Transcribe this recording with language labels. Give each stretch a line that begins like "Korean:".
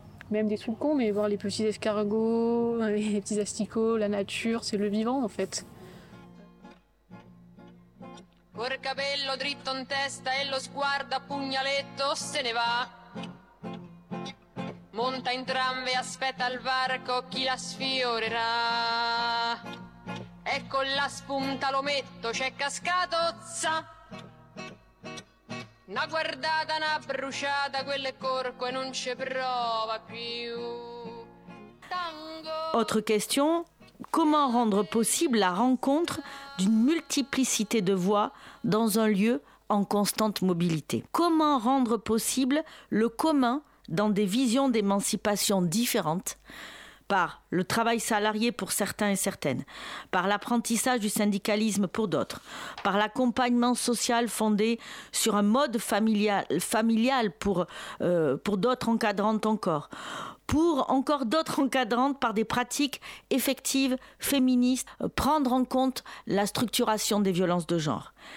French: Même des trucs cons, mais voir les petits escargots, les petits asticots, la nature, c'est le vivant, en fait.
Italian: Col capello dritto in testa e lo sguardo a pugnaletto se ne va. Monta in tram e aspetta al varco chi la sfiorerà. E con la spunta lo metto, c'è cascato, zà. Una guardata, una bruciata, quel corpo e non ci prova più. Tango.
French: Autre question, comment rendre possible la rencontre d'une multiplicité de voix dans un lieu en constante mobilité? Comment rendre possible le commun dans des visions d'émancipation différentes? Par le travail salarié pour certains et certaines, par l'apprentissage du syndicalisme pour d'autres, par l'accompagnement social fondé sur un mode familial pour d'autres encadrantes encore, pour encore d'autres encadrantes par des pratiques effectives, féministes, prendre en compte la structuration des violences de genre.